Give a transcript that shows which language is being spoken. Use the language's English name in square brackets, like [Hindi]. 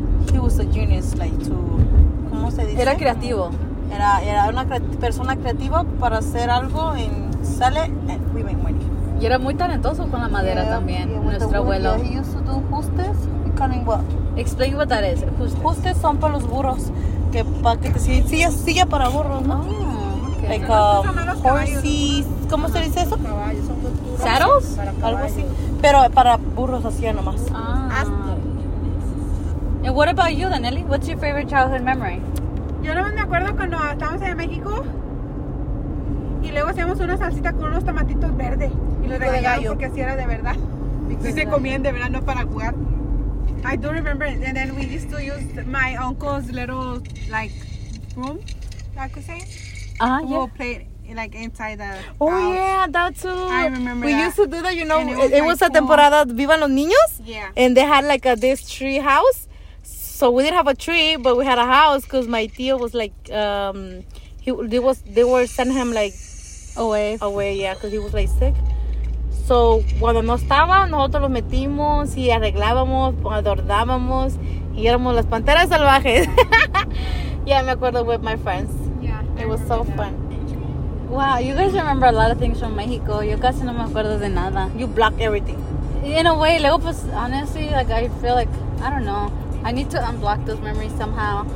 [English] He was a genius, like, to... [Spanish] ¿Cómo se dice? Era creativo. Era una persona creativa para hacer algo, [English] and sell it, and we make money. [Spanish] Y era muy talentoso con la madera, [English] yeah, [Spanish] también, nuestro abuelo. [English] Yeah, he used to do justes, cutting what? Explain what that is, justes. [Spanish] Justes son para los burros. Que pa que te silla para burros, ¿no? [English] Oh, okay. Like horses, [Spanish] ¿cómo se dice eso? [English] Saddles, [Spanish] algo así. Pero para burros hacía nomás. Ah. [English] And what about you, Danelli? What's your favorite childhood memory? [Spanish] Yo no me acuerdo cuando estábamos en México y luego hacíamos una salsita con unos tomatitos verdes y los regalábamos porque así era de verdad. Sí se comían de verdad, no para jugar. [English] I don't remember, and then we used to use my uncle's little, like, room, I could say. We'll play it, like, inside the house. Oh, yeah, that too. I remember we that. We used to do that, you know, and it was like a cool temporada, Vivan los Niños. Yeah. And they had, like, this tree house. So we didn't have a tree, but we had a house, because my tío was, like, they were sending him, like, away, yeah, because he was, like, sick. [Spanish] So, cuando no estaba, nosotros los metimos y arreglábamos, adornábamos y éramos las panteras salvajes. [English] Yeah, [Spanish] me acuerdo [English] with my friends. Yeah. It was so fun. Wow, you guys remember a lot of things from Mexico. [Spanish] Yo casi no me acuerdo de nada. [English] You block everything. In a way, [Spanish] luego pues, [English] honestly, like, I feel like, I don't know. I need to unblock those memories somehow.